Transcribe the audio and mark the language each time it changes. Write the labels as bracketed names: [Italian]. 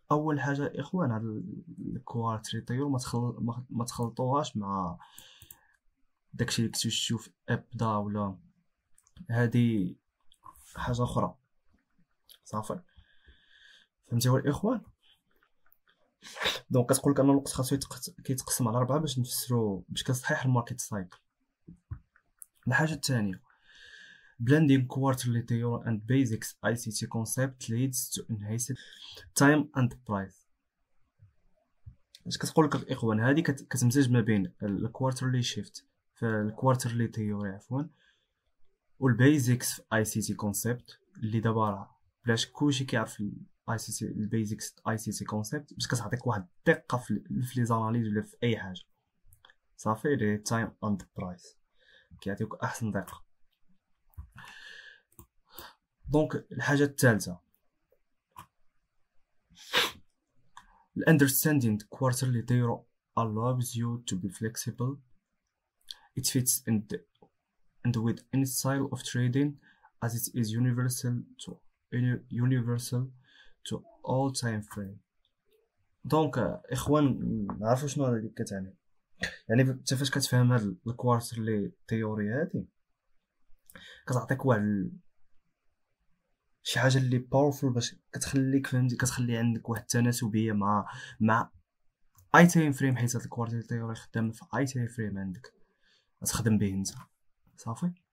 [Arabic] اول حاجه الاخوان هذا الكوارتر طيور ما تخلطوهاش مع داكشي اللي كنتو تشوف ابدا ولا هذه حاجه اخرى. صافي فهمتوا الاخوان. دونك كتقول لك ان الوقت خاصو كيتقسم على ربعه باش نفسرو بشكل صحيح الماركت سايكل. الحاجه الثانيه [English] blending quarterly theory and basics ICT concept leads to enhanced time and price. [Arabic] اش كتقول لك الاخوان، هذه كتمزج ما بين الكوارترلي شيفت في الكوارترلي تيوري عفوا والبيزكس في ICT concept اللي دابا راه بلاش كلشي كيعرف اي سي سي البيزكس اي سي سي كونسيبت باش كتعطيك واحد الدقه في لي زاناليز ولا في اي حاجه صافي. دي تايم اند برايس كيعطيوك احسن دقه. دونك الحاجه الثالثه الاندرستاندينغ كوارترلي ديرو [English] allows you to be flexible. It fits in the with any style of trading as it is universal to all time frame. [Arabic] دونك اخوان نعرفوا شنو هذا اللي كتعني. يعني فاش كتفهم هذا الكوارترلي تيوري هذه كتعطيك واحد شي حاجه اللي باورفول باش كتخليك فهمتي كتخلي عندك واحد التناسبيه مع اي تايم فريم حيت هاد الكوارتر تيوري خدام في اي تايم فريم عندك غتخدم به انت صافي.